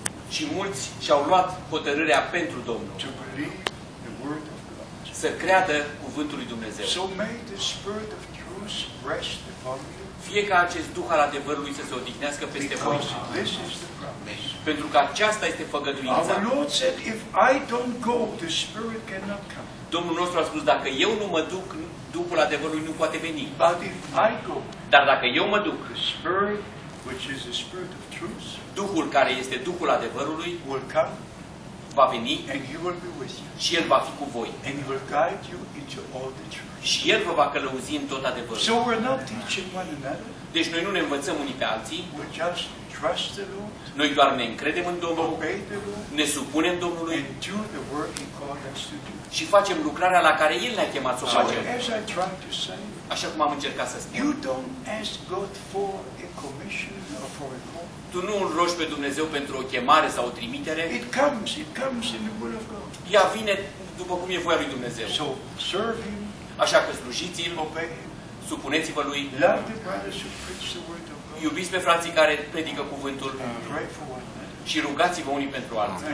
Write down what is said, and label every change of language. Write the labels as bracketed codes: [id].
[ro] Și mulți și-au luat hotărârea pentru Domnul. [en] To believe the word of God. [ro] Să creadă cuvântul lui Dumnezeu. [en] So may the spirit of truth rest upon you. [ro] Fie ca acest Duh al adevărului să se odihnească peste voi. [en] This is the promise. [ro] Pentru că aceasta este făgăduința. [en] Our Lord said, if I don't go, the spirit cannot come. [ro] Domnul nostru a spus, dacă eu nu mă duc, Duhul adevărului nu poate veni. [en] But if I go, [ro] dar dacă eu mă duc, [en] the spirit, which is the spirit of truth, [ro] Duhul care este Duhul adevărului [en] will come, [ro] va veni [en] and he will be with you. [ro] Și El va fi cu voi. [en] And he will guide you into all the truth. [ro] Și El vă va călăuzi în tot adevărul. [en] So we're not teaching one another. [ro] Deci noi nu ne învățăm unii pe alții. [en] We're just trust the Lord. [ro] Noi doar ne încredem în Domnul. [en] Obey the Lord. [ro] Ne supunem Domnului. [en] And do the work he called us to do. [ro] Și facem lucrarea la care El ne-a chemat să o facem. [en] So, as I try to say, [ro] așa cum am încercat să spun. [en] You don't ask God for a commission or for a call. [ro] Tu nu îl rogi pe Dumnezeu pentru o chemare sau o trimitere. [en] It comes in the will of God. [ro] Ea vine după cum e voia lui Dumnezeu. [en] So, serve him. [ro] Așa că slujiți-L, [en] obey him, [ro] supuneți-vă Lui, [en] love the brothers who preach the word of God, [ro] iubiți pe frații care predică cuvântul și rugați-vă unii pentru alții.